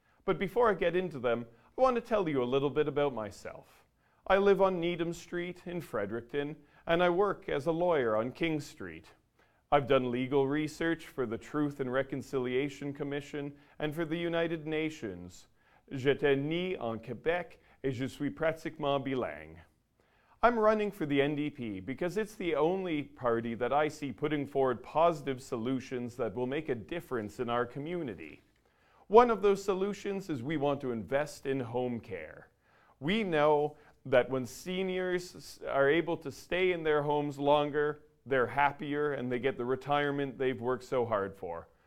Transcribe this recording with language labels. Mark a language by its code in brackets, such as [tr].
[en] But before I get into them, I want to tell you a little bit about myself. I live on Needham Street in Fredericton, and I work as a lawyer on King Street. I've done legal research for the Truth and Reconciliation Commission and for the United Nations. [fr] J'étais né en Québec et je suis pratiquement bilingue. [en] I'm running for the NDP because it's the only party that I see putting forward positive solutions that will make a difference in our community. One of those solutions is we want to invest in home care. We know that when seniors are able to stay in their homes longer, they're happier and they get the retirement they've worked so hard for.